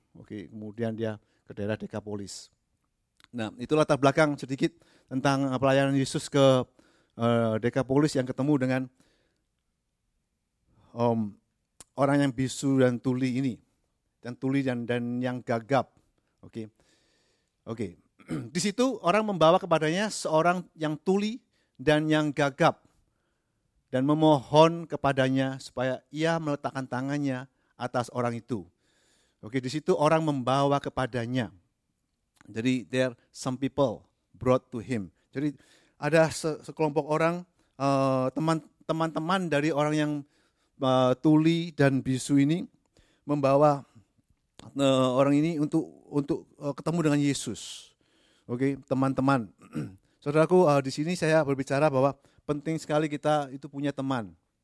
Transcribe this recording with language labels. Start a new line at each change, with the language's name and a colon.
Indonesian: Oke, kemudian dia ke daerah Dekapolis. Nah, itulah latar belakang sedikit tentang pelayanan Yesus ke Dekapolis yang ketemu dengan orang yang bisu dan tuli ini, yang tuli dan yang gagap. Oke. Di situ orang membawa kepadanya seorang yang tuli dan yang gagap dan memohon kepadanya supaya ia meletakkan tangannya atas orang itu. Oke, di situ orang membawa kepadanya.
English: Jadi there some people brought to him.
Indonesian: Jadi ada sekelompok orang, teman-teman dari orang yang tuli dan bisu ini membawa orang ini untuk ketemu dengan Yesus. Oke, teman-teman. Saudaraku, di sini saya berbicara bahwa penting sekali kita itu punya teman.